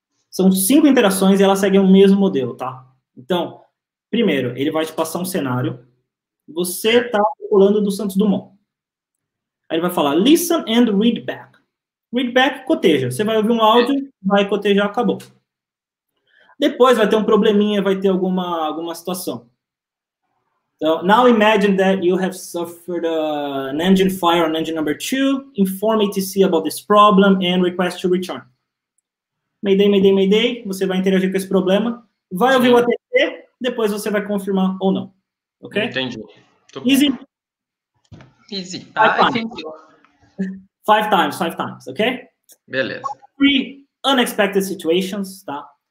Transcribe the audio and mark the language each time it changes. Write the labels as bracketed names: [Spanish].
[Portuguese] São 5 interações e elas seguem o mesmo modelo, tá? Então, primeiro, ele vai te passar um cenário. Você está pulando do Santos Dumont. Aí ele vai falar, [English] listen and read back. Read back, [Portuguese] coteja. Você vai ouvir um áudio, vai cotejar, acabou. Depois vai ter um probleminha, vai ter alguma situação. [English] Então, now imagine that you have suffered an engine fire on engine number 2. Inform ATC about this problem and request to return. Mayday, mayday, mayday. [Portuguese] Você vai interagir com esse problema. Vai ouvir o ATC, depois você vai confirmar ou não. Ok? Entendi. [English] Easy. Easy. Five times, ok? [Portuguese] Beleza. [English] 3, unexpected situations, tá?